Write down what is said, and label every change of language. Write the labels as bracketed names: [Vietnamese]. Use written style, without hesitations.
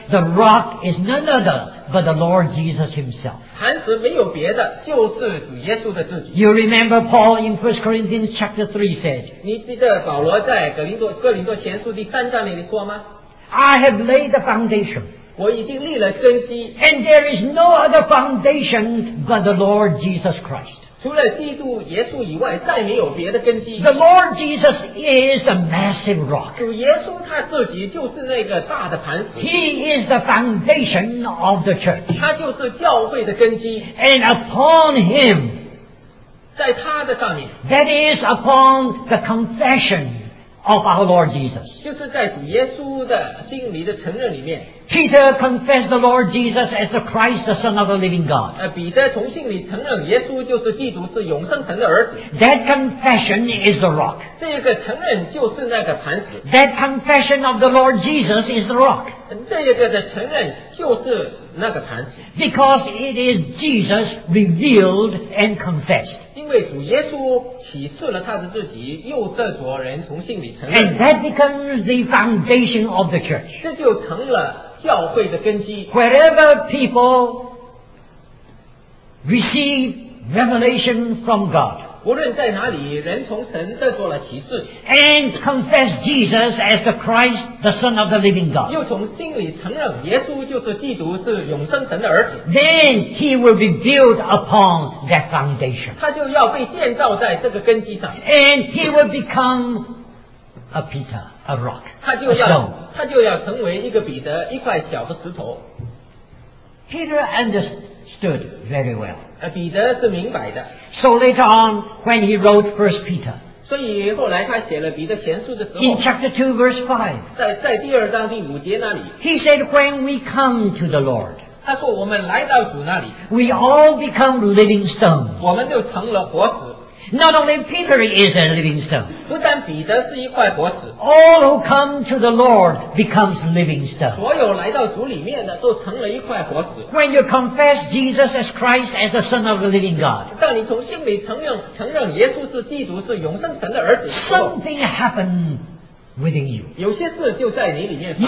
[English] The rock is none other but the Lord Jesus himself. [Chinese] 磐石没有别的，就是主耶稣的自己。 [English] You remember Paul in 1 Corinthians chapter 3 said. [Chinese] 你记得保罗在哥林多前书第三章里说吗？ [English] I have laid the foundation. [Chinese] 我已经立了根基。 [English] And there is no other foundation but the Lord Jesus Christ. [Chinese] 除了基督耶稣以外，再没有别的根基。 [English] The Lord Jesus is the massive rock. [Chinese] 主耶稣他自己就是那个大的磐石。 [English] He is the foundation of the church. [Chinese] 他就是教会的根基。 [English] And upon him, [Chinese] 在他的上面, [English] that is upon the confession of our Lord Jesus. [Chinese] 就是在主耶稣的心里的承认里面。 [English] Peter confessed the Lord Jesus as the Christ, the Son of the living God. [Chinese] 彼得从心里承认耶稣就是基督，是永生神的儿子。 [English] That confession is the rock. [Chinese] 这个承认就是那个磐石。 [English] That confession of the Lord Jesus is the rock. [Chinese] 这个的承认就是那个磐石。 [English] Because it is Jesus revealed and confessed. [Chinese] 因为主耶稣启示了他的自己，又这所人从信里承认。 [English] And that becomes the foundation of the church. [Chinese] 这就成了教会的根基。 [English] Wherever people receive revelation from God, [Chinese] 无论在哪里，人从神得到了启示。 [English] And confess Jesus as the Christ, the Son of the living God. [Chinese] 又从信里承认耶稣就是基督，是永生神的儿子。 [English] Then he will be built upon that foundation. [Chinese] 他就要被建造在这个根基上。 [English] And he will become a Peter, a rock, a stone. [Chinese] 他就要成为一个彼得，一块小的石头。 [English] Peter understood very well. [Chinese] 彼得是明白的。 [English] So later on, when he wrote 1 Peter, [Chinese] 所以后来他写了彼得前书的时候, [English] in chapter 2, verse 5, [Chinese] 在第二章第五节那里, [English] he said, when we come to the Lord, [Chinese] 他说我们来到主那里, [English] we all become living stones. [Chinese] 我们就成了活石。 [English] Not only Peter is a living stone, [Chinese] 不但彼得是一块活石, [English] all who come to the Lord becomes living stone. [Chinese] 所有来到主里面的都成了一块活石。 [English] When you confess Jesus as Christ as the Son of the living God, [Chinese] 当你从心里承认耶稣是基督，是永生神的儿子, [English] something happened within you. [Chinese] 有些事就在你里面发生,